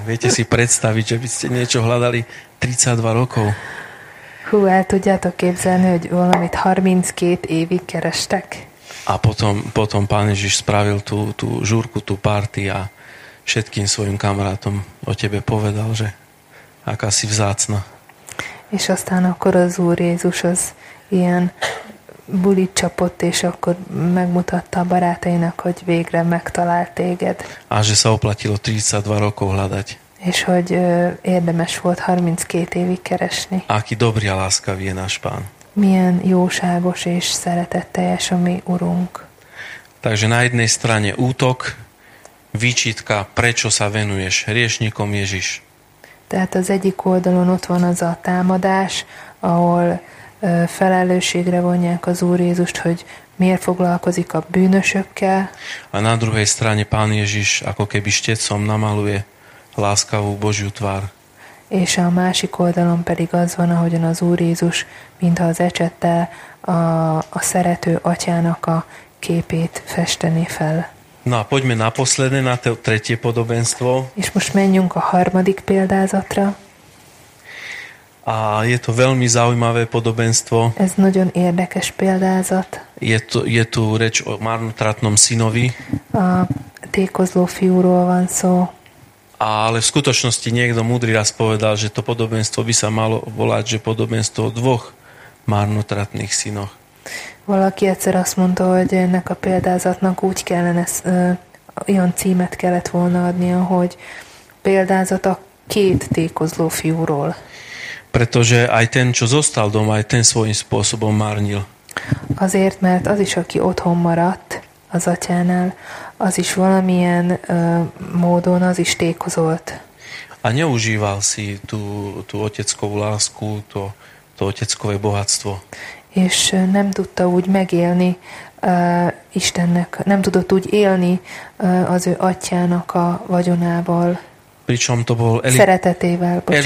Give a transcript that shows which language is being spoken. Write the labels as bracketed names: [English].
[Slovak] Viete si predstaviť, že by ste niečo hľadali 32 rokov? [Hungarian] Hú, el tudjátok képzelni, hogy valamit 32 évig kerestek. [Slovak] A potom Pán Ježiš spravil tú žúrku, tú párty a všetkým svojim kamarátom o tebe povedal, že aká si vzácna. [Hungarian] És aztán akkor az Úr Jézus az ilyen bulit csapott, és akkor megmutatta a barátainak, hogy végre megtalált téged. [Slovak] A že sa oplatilo 32 rokov hľadať. [Hungarian] És hogy érdemes volt 32 évig keresni. [Slovak] Aki dobrý a láskavý je náš Pán. [Hungarian] Milyen jóságos és szeretetteljes a mi Urunk. [Slovak] Takže na jednej strane útok, výčitka, prečo sa venuješ hriešnikom, Ježiš. [Hungarian] Tehát az egyik oldalon ott van az a támadás, ahol felelősségre vonják az Úr Jézust, hogy miért foglalkozik a bűnösökkel. [Slovak] A na druhej strane Pán Ježiš, ako keby štetcom, namaluje láskavú Božiu tvár. [Hungarian] És a másik oldalon pedig az van, ahogyan az Úr Jézus, mintha az ecsettel a szerető atyának a képét festené fel. [Slovak] No a poďme naposledne na to tretie podobenstvo. [Hungarian] És most menjünk a harmadik példázatra. [Slovak] A je to veľmi zaujímavé podobenstvo. [Hungarian] Ez nagyon érdekes példázat. [Slovak] Je tu reč o marnotratnom synovi. [Hungarian] A tékozló fiúról van szó. [Slovak] Ale v skutočnosti niekto múdry raz povedal, že to podobenstvo by sa malo volať, že podobenstvo o dvoch marnotratných synoch. [Hungarian] Valaki egyszer azt mondta, hogy ennek a példázatnak úgy kellene, olyan címet kellett volna adnia, hogy példázat a két tékozló fiúról. [Slovak] Pretože aj ten, čo zostal doma, aj ten svojím spôsobom márnil. [Hungarian] Azért, mert az is, aki otthon maradt az atyánál, az is valamilyen módon az is tékozolt. [Slovak] A neužíval si tú oteckovú lásku, to oteckové bohatstvo. [Hungarian] és nem tudta úgy megélni Istennek, nem tudott úgy élni az ő atyának a vagyonával. [Slovak] Pričom to bol [Hungarian] szeretetével, bocsánat.